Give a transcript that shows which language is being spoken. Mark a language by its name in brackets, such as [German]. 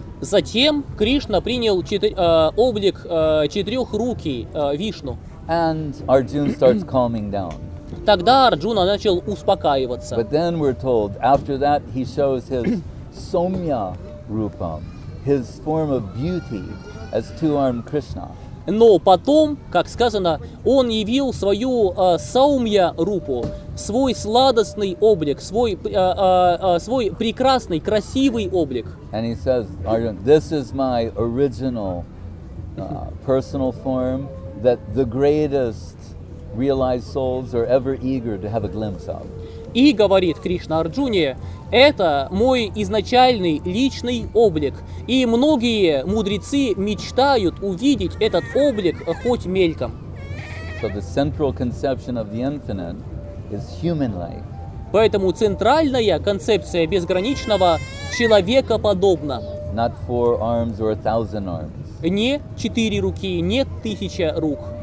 [Russian] Затем Кришна принял облик четырехрукий Вишну. [English] And Arjuna starts calming down. [Russian] Тогда Арджуна начал успокаиваться. [English] But then we're told, after that he shows his Somya Rupam, his form of beauty as two-armed Krishna. [Russian] Но потом, как сказано, он явил свою Саумья Рупу, свой сладостный облик, свой прекрасный, красивый облик. [English] And he says, Arjuna, this is my original personal form that the greatest realized souls are ever eager to have a glimpse of. [Russian] И говорит Кришна Арджуне, это мой изначальный личный облик, и многие мудрецы мечтают увидеть этот облик хоть мельком. [English] So the central conception of the infinite is human-like. [Russian] Поэтому центральная концепция безграничного человекоподобна. [English] Not four arms or a thousand arms. [Russian] Не четыре руки, не тысяча рук.